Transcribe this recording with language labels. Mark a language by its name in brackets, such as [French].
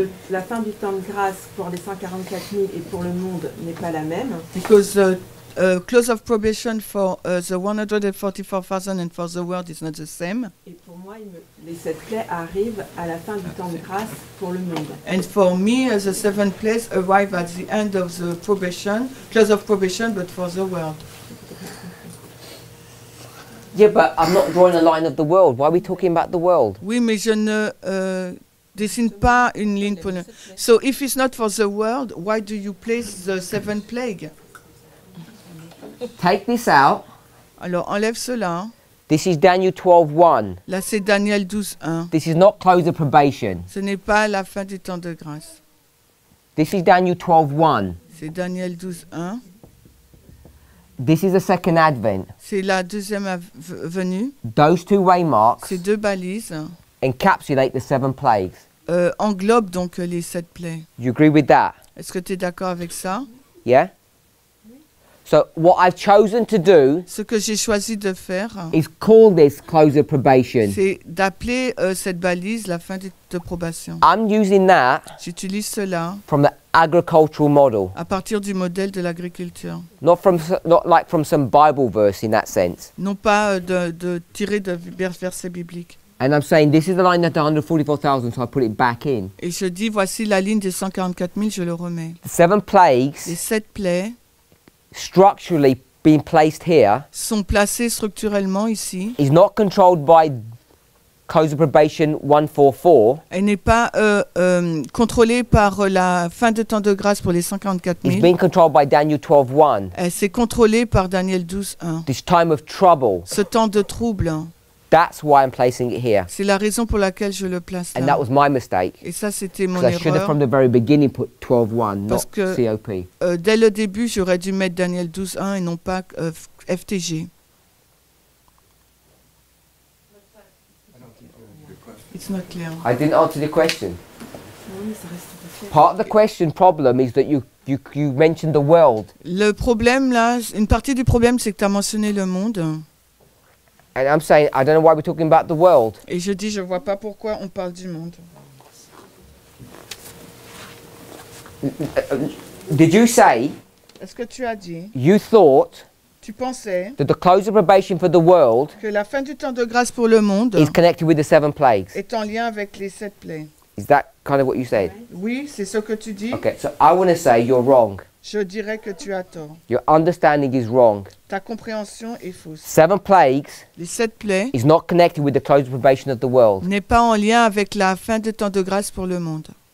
[French] La fin du temps de grâce pour les 144,000 et pour le monde n'est pas la même. [English] Because the close of probation for the 144,000 and for the world is not the same. [French] Et pour moi, les sept plaies arrivent à la fin du temps de grâce pour le monde. [English] And for me, the seven plaies arrive at the end of the probation, close of probation, but for the world. Yeah, but I'm not drawing a line of the world. Why are we talking about the world? [French] Oui, mais je ne dessine pas une ligne pour le... [English] So if it's not for the world, why do you place the seventh plague? Take this out. [French] Alors, enlève cela. [English] This is Daniel 12:1. [French] Là, c'est Daniel 12:1. [English] This is not close of probation. [French] Ce n'est pas la fin du temps de grâce. [English] This is Daniel 12:1. [French] C'est Daniel 12:1. [English] This is the second advent. [French] C'est la deuxième venue. [English] Those two waymarks. [French] Ces deux balises. [English] Encapsulate the seven plagues. [French] Englobe donc les sept plaies. [English] You agree with that? [French] Est-ce que tu es d'accord avec ça? [English] Yeah. So what I've chosen to do, [French] ce que j'ai choisi de faire, [English] is call this close of probation. [French] C'est d'appeler cette balise la fin de probation. [English] I'm using that. [French] J'utilise cela. [English] From the agricultural model. [French] À partir du modèle de l'agriculture. [English] Not from not like from some Bible verse in that sense. [French] Non pas de tirer de versets bibliques. [English] And I'm saying this is the line of the 144,000, so I put it back in. [French] Et je dis voici la ligne des 144,000, je le remets. [English] The seven plagues. [French] Les sept plaies. [English] Structurally being placed here, [French] sont placés structurellement ici, [English] is not controlled by close of probation 144. [French] Elle n'est pas contrôlée par la fin de temps de grâce pour les 144,000. [English] It's being controlled by Daniel 12:1. [French] Elle s'est contrôlée par Daniel 12:1. [English] This time of trouble. [French] Ce temps de trouble. [English] That's why I'm placing it here. [French] C'est la raison pour laquelle je le place là. [English] And that was my mistake. [French] Et ça, c'était mon erreur. [English] I should have from the very beginning put 12:1, not [French] que, [English] COP. [French] Dès le début, j'aurais dû mettre Daniel 12:1 et non pas FTG. [English] It's not clear. I didn't answer the question. Part of the question problem is that you mentioned the world. [French] Le problème là, une partie du problème, c'est que tu as mentionné le monde. [English] And I'm saying, I don't know why we're talking about the world. [French] Et je dis, je vois pas pourquoi on parle du monde. [English] Did you say? [French] Est-ce que tu as dit? [English] You thought. [French] Tu pensais. [English] That the close of probation for the world. [French] Que la fin du temps de grâce pour le monde. [English] Is connected with the seven plagues. [French] Est en lien avec les sept plaies. [English] Is that kind of what you said? [French] Oui, c'est ce que tu dis. [English] Okay, so I want to say you're wrong. [French] Je dirais que tu as tort. [English] Your understanding is wrong. [French] Ta compréhension est fausse. [English] Seven plagues. [French] Les sept plaies. [English] Is not connected with the close probation of the world. [French] N'est pas en lien avec la fin de temps de grâce pour le monde.